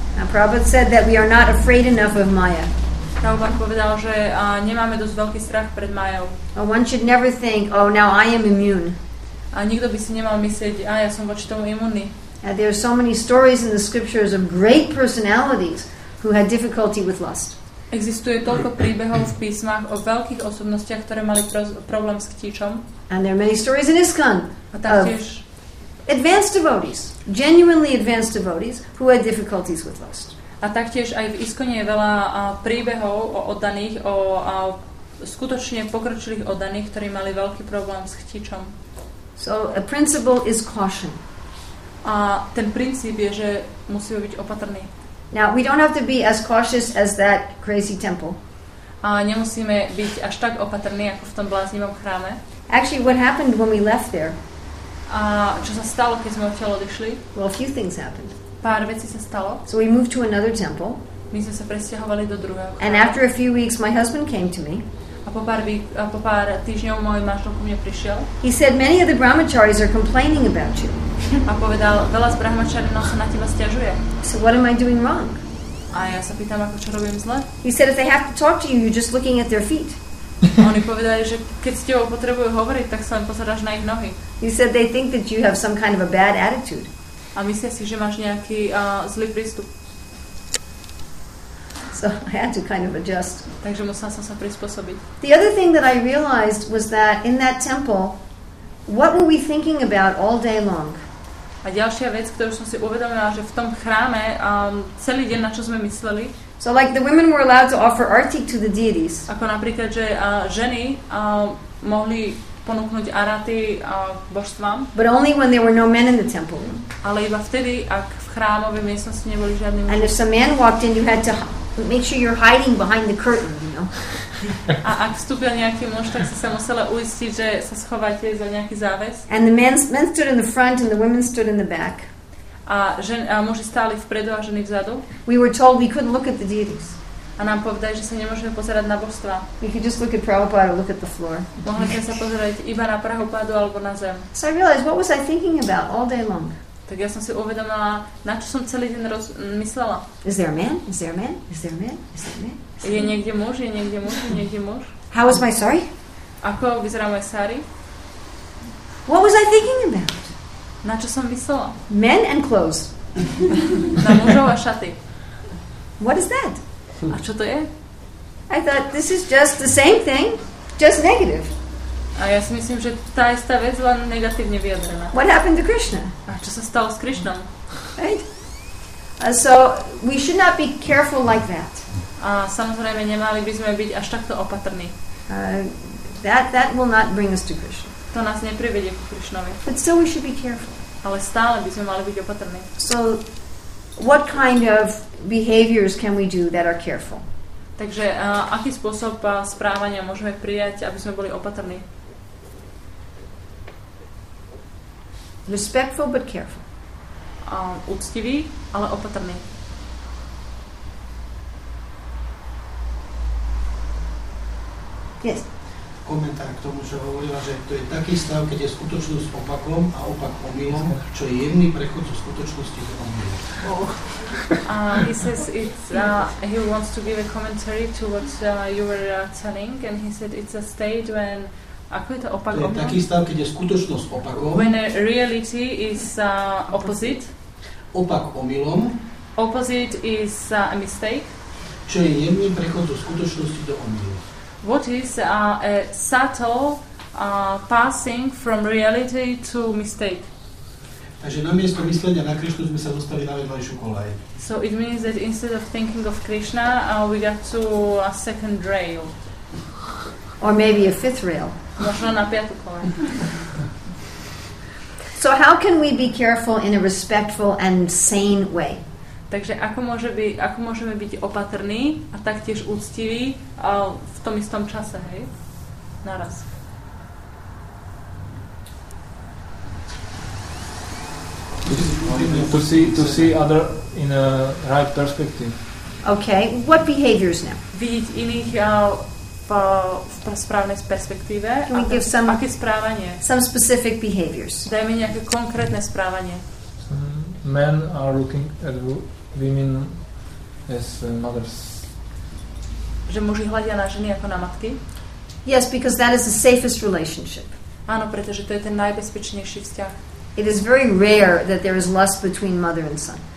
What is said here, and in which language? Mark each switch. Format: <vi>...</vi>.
<en>Now, Prabhupada said that we are not afraid enough of Maya.</en> <sk>Prabhupada povedal, že nemáme dosť veľký strach pred Mayou.</sk> <en>But one should never think, oh, now I am immune.</en> <sk>A nikto by si nemal myslieť, a ja som voči tomu imunný.</sk> <en>And there are so many stories in the scriptures of great personalities who had difficulty with lust.</en> <sk>Existuje toľko príbehov v písmach o veľkých osobnostiach, ktoré mali problém s chtičom.</sk> <en>And there are many stories in ISKCON.</en> <sk>A taktiež</sk> <en>advanced devotees, genuinely advanced devotees who had difficulties with lust.</en> <sk>A taktiež aj v ISKCONe je veľa príbehov o oddaných, o skutočne pokročilých oddaných, ktorí mali veľký problém s chtičom.</sk> <en>So a principle is caution.</en> <sk>A ten princíp je, že musíme byť opatrní.</sk> <en>Now, we don't have to be as cautious as that crazy temple.</en> <sk>A nemusíme byť až tak opatrní, ako v tom bláznivom chráme.</sk> <en>Actually, what happened when we left there?</en> <sk>A čo sa stalo, keď sme odtiaľ odišli?</sk> <en>Well, a few things happened.</en> <sk>Pár vecí sa stalo.</sk> <en>So we moved to another temple.</en> <sk>My sme sa presťahovali do druhého chráme.</sk> <en>And after a few weeks, my husband came to me.</en> <sk>A po pár týždňov môj manžel ku mne prišiel.</sk> <en>He said many of the brahmacharis are complaining about you.</en> <sk>A povedal, veľa z brahmacharov sa na teba sťažuje.</sk> <en>So what am I doing wrong?</en> <sk>A ja sa pýtam, ako čo robím zle.</sk> <en>He said if they have to talk to you, you're just looking at their feet.</en> <sk>Oni povedali, že keď s tebou potrebujú hovoriť, tak sa len pozeráš na ich nohy.</sk> <en>He said they think that you have some kind of a bad attitude.</en> <sk>A myslia si, že máš nejaký zlý prístup.</sk> <en>So I had to kind of adjust.</en> <sk>Takže musela som sa prispôsobiť.</sk> <en>The other thing that I realized was that in that temple, what were we thinking about all day long?</en> <sk>A ďalšia vec, ktorú som si uvedomila, že v tom chráme celý deň, na čo sme mysleli.</sk> <en>So like the women were allowed to offer arati to the deities.</en> <sk>Ako napríklad, že ženy mohli ponúknuť arati božstvám.</sk> <en>But only when there were no men in the temple.</en> <sk>Ale iba vtedy, ak v chrámovej miestnosti neboli žiadni muži.</sk> <en>And if some man walked in, you had to make sure you're hiding behind the curtain, you know.</en> <sk>A ak vstúpil nejaký muž, tak si sa musela uistiť, že sa schováte za nejaký záves.</sk> <en>And the men stood in the front and the women stood in the back.</en> <sk>A muži stáli vpredu a ženy vzadu.</sk> <en>We were told we couldn't look at the deities.</en> <sk>A nám povedali, že sa nemôžeme pozerať na božstva.</sk> <en>We could just look at Prabhupada or look at the floor.</en> <sk>Mohli sme sa pozerať iba na Prabhupádu alebo na zem.</sk> <en>So I realized, what was I thinking about all day long?</en> <sk>Tak ja som si uvedomila, na čo som celý deň myslela.</sk> <en>Is there a man? Is there a man? Is there a man? Is there a man?</en> <sk>Je niekde muž, je niekde muž, je niekde muž.</sk> <en>How was my sari?</en> <sk>Ako vyzerá moje sari?</sk> <en>What was I thinking about?</en> <sk>Na čo som myslela?</sk> <en>Men and clothes.</en> <sk>Na mužov a šaty.</sk> <en>What is that?</en> <sk>A čo to je?</sk> <en>I thought this is just the same thing, just negative.</en> <sk>A ja si myslím, že tá istá vec, len negatívne vyjadrená.</sk> <en>What happened to Krishna?</en> <sk>A čo sa stalo s Krishnom?</sk> <en>Right? So we should not be careful like that.</en> <sk>A samozrejme nemali by sme byť až takto opatrní.</sk> <en>That will not bring us to Krishna.</en> <sk>To nás neprivedie ku Krishnovi.</sk> <en>But still we should be careful.</en> <sk>Ale stále by sme mali byť opatrní.</sk> <en>So what kind of behaviors can we do that are careful?</en> <sk>Takže aký spôsob správania môžeme prijať, aby sme boli opatrní?</sk> <en>Respectful but careful.</en> <sk>Úctivý, ale opatrný.</sk> <en>Yes.</en> <sk>Komentár k tomu, čo hovorila, že to je taký stav, keď je skutočnosť opakom a opak omylom, čo je jemný prechod zo skutočnosti k omylom.</sk> <en>He says it's he wants to give a commentary to what you were telling, and he said it's a state when</en> <sk>ako je to opak omylom. To je taký stav, keď je skutočnosť opakom.</sk> <en>When a reality is opposite.</en> <sk>Opak omylom.</sk> <en>Opposite is a mistake.</en> <sk>Čo je jemný prechod zo skutočnosti do omylom.</sk> <en>What is a subtle passing from reality to mistake?</en> <sk>Takže namiesto myslenia na Krishnu sme sa dostali na vedľajšiu kolej.</sk> <en>So it means that instead of thinking of Krishna, we got to a second rail. Or maybe a fifth rail.</en> <sk>Možno na piatu kolej.</sk> <en>So how can we be careful in a respectful and sane way?</en> <sk>Takže ako môžeme byť opatrní a taktiež úctiví v tom istom čase, hej? Naraz.</sk> <en>To see other in a right perspective. Okay, what behaviors now?</en> <sk>Vidieť iných v správnej perspektíve.</sk> <en>Can we give some,</en> <sk>aké správanie?</sk> <en>Some specific behaviors.</en> <sk>Dajme nejaké konkrétne správanie.</sk> <en>Men are looking at women as mothers.</en> <sk>Že muži hľadia na ženy ako na matky?</sk> <en>Yes, because that is the safest relationship.</en> <sk>Áno, pretože to je ten najbezpečnejší vzťah.</sk> <en>It is very rare that there is lust between mother and son.</en>